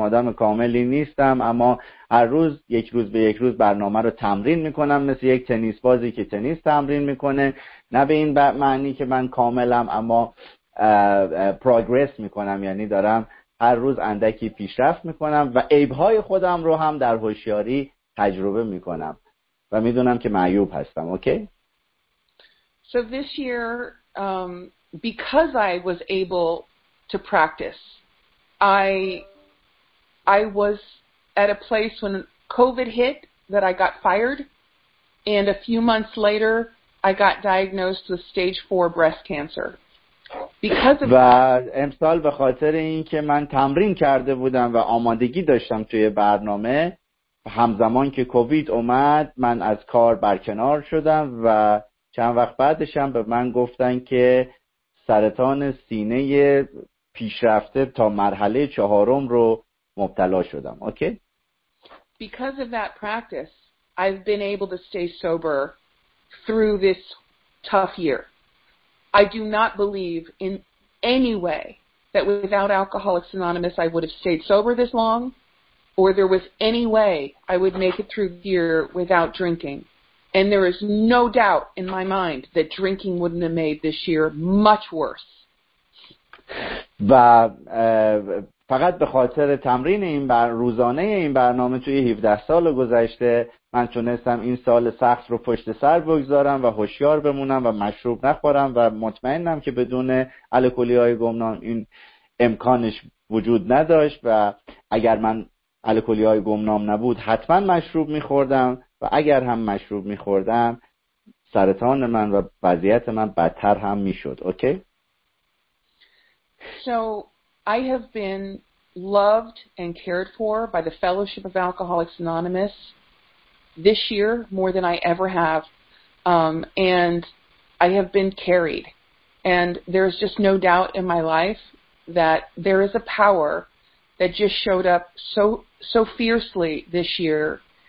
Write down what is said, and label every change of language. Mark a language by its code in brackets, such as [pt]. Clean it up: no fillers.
[fa] آدم کاملی نیستم، اما هر روز یک روز به یک روز برنامه رو تمرین میکنم، مثل یک تنیس بازی که تنیس تمرین میکنه. نه به این معنی که من کاملم، اما پروگرس میکنم، یعنی دارم هر روز اندکی پیشرفت میکنم و عیب‌های خودم رو هم در هوشیاری تجربه میکنم و میدونم که معیوب هستم. اوکی؟ [en] So this year, because I was able to practice, I was at a place when COVID hit that I got fired, and a few months later, I got diagnosed with stage 4 breast cancer. Because of that, [fa] امسال به خاطر اینکه من تمرین کرده بودم و آمادگی داشتم توی برنامه، همزمان که کووید اومد، من از کار برکنار شدم و چند وقت بعدش هم به من گفتن که سرطان سینه پیشرفته تا مرحله چهارم رو مبتلا شدم. اوکی؟ [en] Because of that practice, I've been able to stay sober through this tough year. I do not believe in any way that without Alcoholics Anonymous I would have stayed sober this long, or there was any way I would make it through the year without drinking. And there is no doubt in my mind that drinking wouldn't have made this year much worse. [fa] و فقط به خاطر تمرین این روزانه این برنامه توی 17 سال گذشته من تونستم این سال سخت رو پشت سر بگذارم و هوشیار بمونم و مشروب نخورم و مطمئنم که بدون الکلی‌های گمنام این امکانش وجود نداشت و اگر من الکلی‌های گمنام نبود حتما مشروب می‌خوردم و اگر هم مشروب می‌خوردم سرطان من و وضعیت من بدتر هم می‌شد. اوکی؟ [en] So I have been loved and cared for by the Fellowship of Alcoholics Anonymous this year more than I ever have. And I have been carried. And there's just no doubt in my life that there is a power that just showed up so fiercely this year.